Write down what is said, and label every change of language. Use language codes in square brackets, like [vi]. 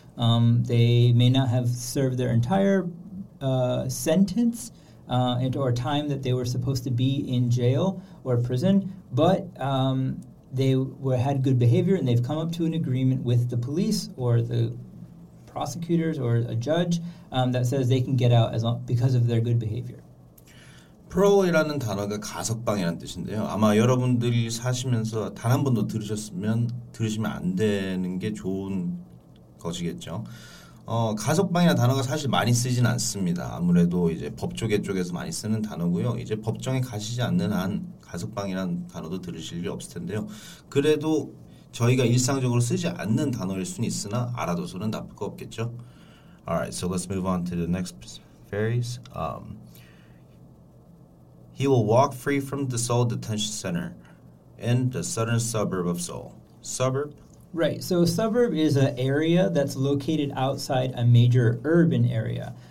[en] They may not have served their entire sentence or time that they were supposed to be in jail or prison, but they had good behavior and they've come up to an agreement with the police or the prosecutors or a judge that says they can get out because of their good behavior. [ko] Parole이라는 단어가 가석방이라는 뜻인데요. 아마 여러분들이 사시면서 단 한 번도 들으시면 안 되는 게 좋은 것이겠죠. 가석방이라는 단어가 사실 많이 쓰진 않습니다. 아무래도 이제 법조계 쪽에서 많이 쓰는 단어고요. 이제 법정에 가시지 않는 한 가석방이라는 단어도 들으실 일이 없을 텐데요. 그래도 저희가 일상적으로 쓰지 않는 단어일 수는 있으나 알아둬서는 나쁠 거 없겠죠. [en] Alright, so let's move on to the next phrase. He will walk free from the Seoul Detention Center in the southern suburb of Seoul. Suburb? Right, so a suburb is an area that's located outside a major urban area.